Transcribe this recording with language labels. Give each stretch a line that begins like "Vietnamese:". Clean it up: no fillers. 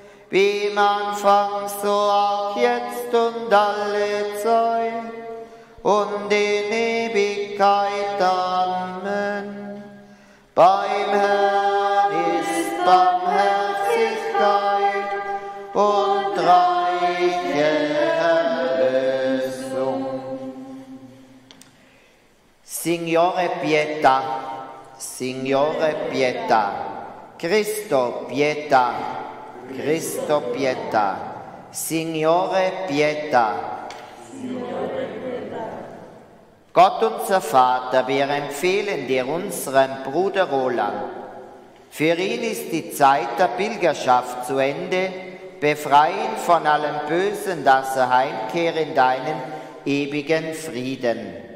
German: Wie im Anfang, so auch jetzt und alle Zeit und in Ewigkeit. Amen. Beim Herrn ist Barmherzigkeit und reiche Erlösung.
Italian: Signore Pietà, Signore Pietà, Christo Pietà, Christo Pietà, Signore Pietà.
German: Gott, unser Vater, wir empfehlen dir unseren Bruder Roland. Für ihn ist die Zeit der Pilgerschaft zu Ende. Befreie ihn von allem Bösen, dass er heimkehre in deinen ewigen Frieden.